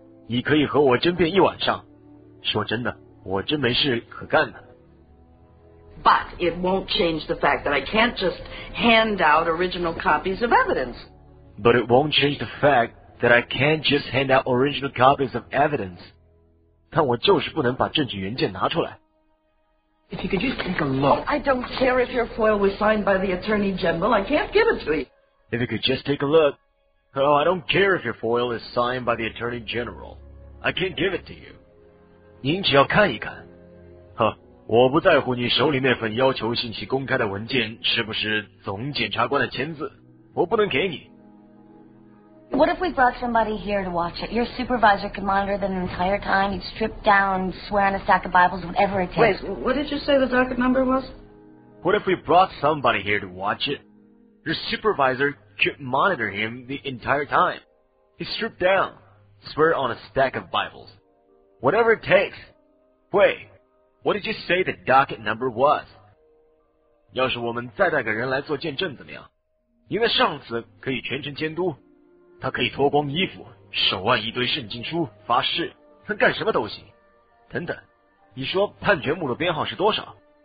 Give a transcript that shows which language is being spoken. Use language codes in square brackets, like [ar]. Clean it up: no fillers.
[zh] 你可以和我争辩一晚上。说真的，我真没事可干的。 [en] But it won't change the fact that I can't just hand out original copies of evidence. But it won't change the fact that I can't just hand out original copies of evidence. [zh] 但我就是不能把证据原件拿出来。 [en] If you could just take a look. Oh, I don't care if your FOIL was signed by the Attorney General, I can't give it to you. If you could just take a look. Oh, I don't care if your FOIL is signed by the Attorney General. I can't give it to you. [zh] 您只要看一看。呵，我不在乎你手里那份要求信息公开的文件是不是总检察官的签字。我不能给你。 [en] What if we brought somebody here to watch it? Your supervisor could monitor them the entire time. He'd strip down, swear on a stack of Bibles, whatever it takes. Wait, what did you say the docket number was? What if we brought somebody here to watch it? Your supervisor could monitor him the entire time. He stripped down, swear on a stack of Bibles. Whatever it takes. Wait, what did you say the docket number was? [zh] 要是我们再带个人来做见证怎么样？您的上司可以全程监督，他可以脱光衣服，手腕一堆圣经书，发誓，他干什么都行。等等，你说判决目录编号是多少？